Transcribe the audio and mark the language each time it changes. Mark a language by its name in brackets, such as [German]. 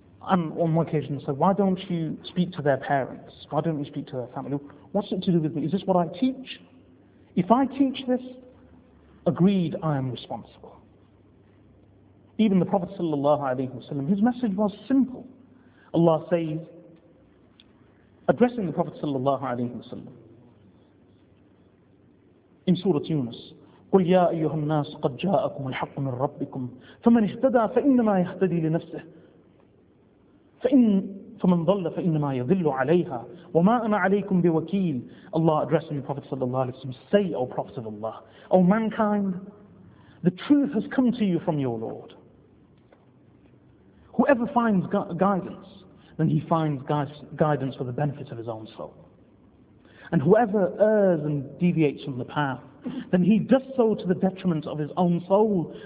[English] And on one occasion I said, why don't you speak to their parents? Why don't you speak to their family? What's it to do with me? Is this what I teach? If I teach this, agreed, I am responsible. Even the Prophet sallallahu alaihi wasallam, his message was simple. Allah says, addressing the Prophet sallallahu alaihi wasallam, in Surah Yunus, [Arabic] قُلْ يَا أَيُّهَا النَّاسُ قَدْ جَاءَكُمُ الْحَقُّ مِنْ رَبِّكُمْ فَمَنْ اِهْتَدَى فَإِنَّمَا يَهْتَدِي لِنَفْسِهِ فَمَنْ ضَلَّ فَإِنَّمَا يَضِلُّ عَلَيْهَا وَمَا أَنَا عَلَيْكُمْ بِوَكِيلٍ. [English] Allah addressing the Prophet sallallahu alaihi wasallam, say, O Prophet of Allah, O mankind, the truth has come to you from your Lord. Whoever finds guidance, then he finds guidance for the benefit of his own soul. And whoever errs and deviates from the path, then he does so to the detriment of his own soul.